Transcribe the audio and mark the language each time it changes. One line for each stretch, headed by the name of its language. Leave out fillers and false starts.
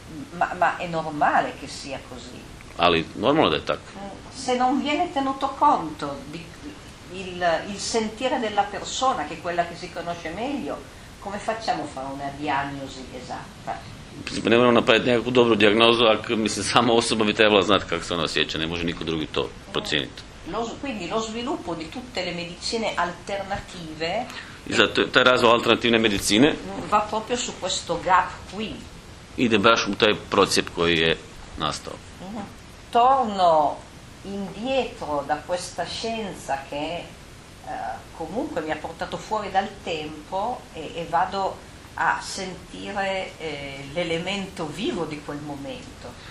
Italian: Ma è normale che sia così.
Croatian: Ali normalno da je tako.
Italian: Se non viene tenuto conto di il sentire della persona, che è quella che si conosce meglio, come facciamo a fare una diagnosi esatta?
Croatian: U principu, ne moramo napraviti nekakvu dobru dijagnozu, ako mislim, sama osoba bi trebala znati kako se ona osjeća, ne može niko drugi to procijeniti.
Italian: Quindi lo sviluppo di tutte le medicine alternative.
Croatian: Esatto, taj razvoj alternativne medicine
Italian: va proprio su questo gap qui.
Croatian: Ide baš u taj procjep koji je nastao.
Italian: Torno indietro da questa scienza che comunque mi ha portato fuori dal tempo e vado a sentire l'elemento vivo di quel momento.